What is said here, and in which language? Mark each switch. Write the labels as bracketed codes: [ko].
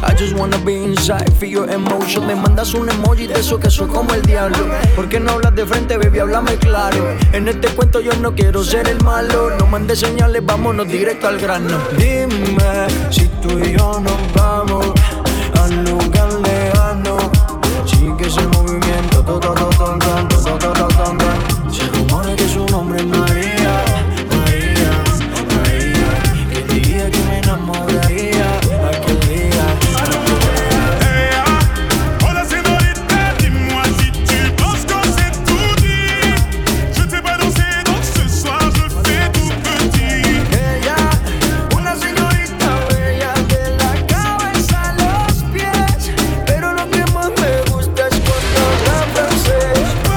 [en] I just wanna be inside, feel your emotion. [es] Me mandas un emoji de eso que soy como el diablo. ¿Por qué no hablas de frente, baby? Háblame claro. En este cuento yo no quiero ser el malo. No mandes señales, vámonos directo al grano. Dime si tú y yo nos vamos al lugar lejano. Sigue ese movimiento, todo, todo, todo, todo, todo, todo, todo, todo, todo. Se rumora que su nombre es María, María, María. Que diría que me enamoraría aquel día. [fr] Hey, [es] hola señorita, [fr] dis-moi si tu penses qu'on s'est tout dit. Je t'ai pas dansé donc ce soir je fais tout petit. [es] Hey, una señorita bella de la cabeza a los pies. Pero lo que más me gusta es cuando la francés.